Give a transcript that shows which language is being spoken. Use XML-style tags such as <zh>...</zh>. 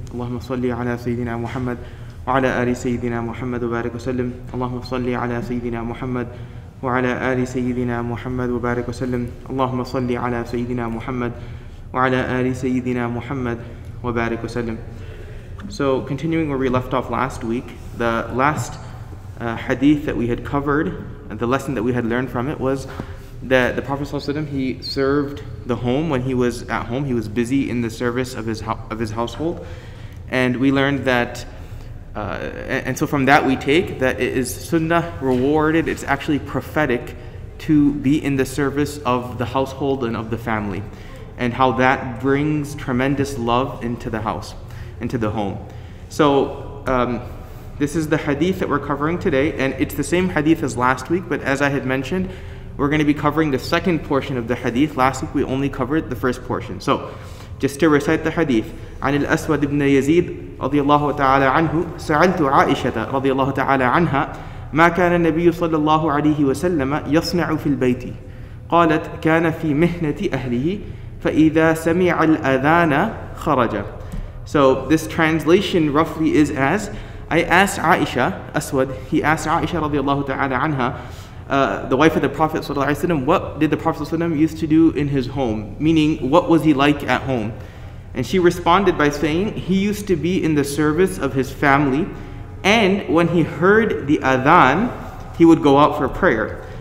<ar>اللهم صل على سيدنا محمد وعلى آل سيدنا محمد وبارك وسلم. اللهم صل على سيدنا محمد وعلى آل سيدنا محمد وبارك وسلم. اللهم صل على سيدنا محمد وعلى آل سيدنا محمد وبارك وسلم.</ar> <en>So continuing where we left off last week, the last hadith that we had covered, the lesson that we had learned from it was that the Prophet ﷺ, he served the home when he was at home. He was busy in the service of his household, and we learned that. And so from that we take that it is sunnah rewarded, it's actually prophetic to be in the service of the household and of the family, and how that brings tremendous love into the house, into the home. So this is the hadith that we're covering today, and it's the same hadith as last week, but as I had mentioned, we're going to be covering the second portion of the hadith. Last week we only covered the first portion. So just to recite the hadith,</en> <ar>عن الأسود بن يزيد رضي الله تعالى عنه سألت عائشة رضي الله تعالى عنها ما كان النبي صلى الله عليه وسلم يصنع في البيت قالت كان في مهنة أهله فإذا سمع الأذان خرج.</ar> <en>So this translation roughly is as, I asked Aisha, Aswad, he asked Aisha</en> <ar>رضي الله تعالى عنها,</ar> <en>the wife of the Prophet صلى الله عليه وسلم, what did the Prophet صلى الله عليه وسلم used to do in his home, meaning what was he like at home? And she responded by saying, he used to be in the service of his family, and when he heard the adhan, he would go out for prayer.</en>